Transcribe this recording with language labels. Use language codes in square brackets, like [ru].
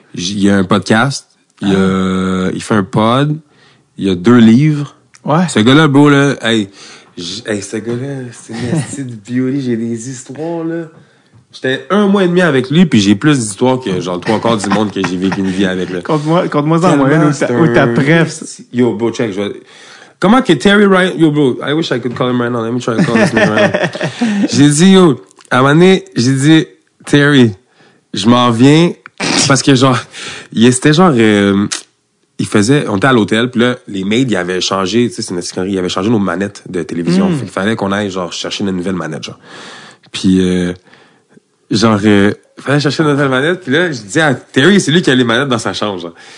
[fr] Il y a un podcast. Il fait un pod. Il y a deux livres. Ouais. Ce gars-là, beau, là. Hey. Ce gars-là, c'est une petite beauty. J'ai des histoires, là. J'étais un mois et demi avec lui, puis j'ai plus d'histoires que, genre, trois quarts du monde que j'ai vécu une vie avec, là. Compte-moi ça en moyenne ou ta presse. Yo, bro, check. Comment que Terry Ryan... [en] Yo, bro, I wish I could call him right now. Let me try to call this man right now. [fr] J'ai dit, yo, à un moment donné, j'ai dit, Terry, je m'en viens, parce que, genre, c'était genre... on était à l'hôtel, puis là, les maids, ils avaient changé, tu sais, c'est une escroquerie, ils avaient changé nos manettes de télévision. Fait qu'il fallait qu'on aille, genre, chercher une nouvelle manette, genre. Puis, fallait chercher une nouvelle manette, puis là, je dis à Terry, c'est lui qui a les manettes dans sa chambre, genre.